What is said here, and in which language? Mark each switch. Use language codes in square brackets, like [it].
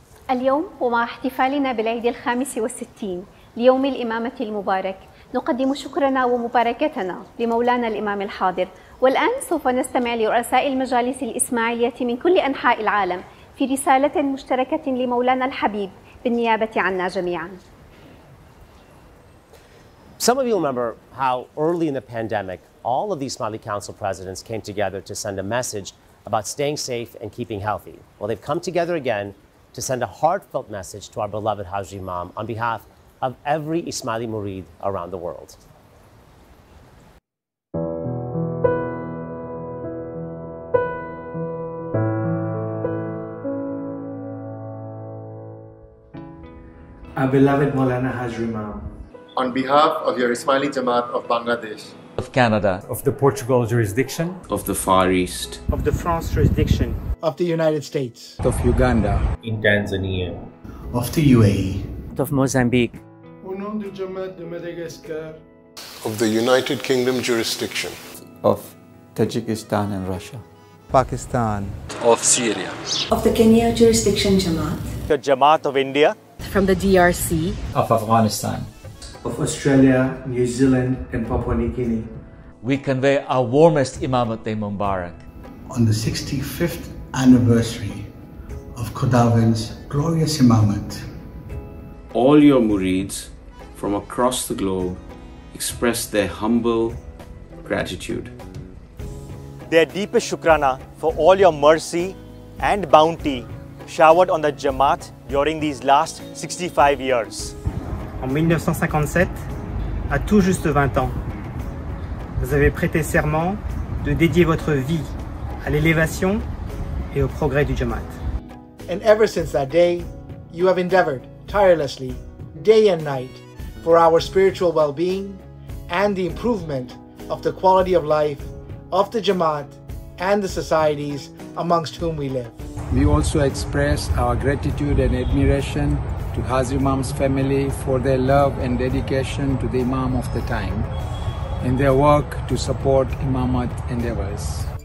[ar] اليوم ومع احتفالنا بالعيد الخامس والستين ليوم الإمامة المبارك نقدم شكرنا ومباركتنا لمولانا الإمام الحاضر. والآن سوف نستمع لرؤساء المجالس الإسماعيلية من كل أنحاء العالم في رسالة مشتركة لمولانا الحبيب بالنيابة عنا جميعا. [en] Some of you remember how early in the pandemic all of the Ismaili Council Presidents came together to send a message about staying safe and keeping healthy. Well, they've come together again to send a heartfelt message to our beloved Hazar Imam on behalf of every Ismaili murid around the world. Our beloved Mawlana Hazar Imam, on behalf of your Ismaili Jamat of Bangladesh, of Canada, of the Portugal jurisdiction, of the Far East, of the France jurisdiction, of the United States, of Uganda, in Tanzania, of the UAE, of Mozambique, [fr] au nom du Jamaat de Madagascar, [en] of the United Kingdom jurisdiction, of Tajikistan and Russia, Pakistan, of Syria, of the Kenya jurisdiction Jamaat, the Jamaat of India, from the DRC, of Afghanistan, of Australia, New Zealand, and Papua New Guinea. We convey our warmest Imamat Day Mubarak. On the 65th anniversary of Qudaven's glorious Imamat. All your murids from across the globe express their humble gratitude. Their deepest shukrana for all your mercy and bounty showered on the Jamaat during these last 65 years. [fr] En 1957, à tout juste 20 ans, vous avez prêté serment de dédier votre vie à l'élévation et au progrès du Jamaat. [en] And ever since that day, you have endeavored tirelessly, day and night, for our spiritual well-being and the improvement of the quality of life of the Jamaat and the societies amongst whom we live. We also express our gratitude and admiration to Hazar Imam's family for their love and dedication to the Imam of the time and their work to support Imamat endeavors.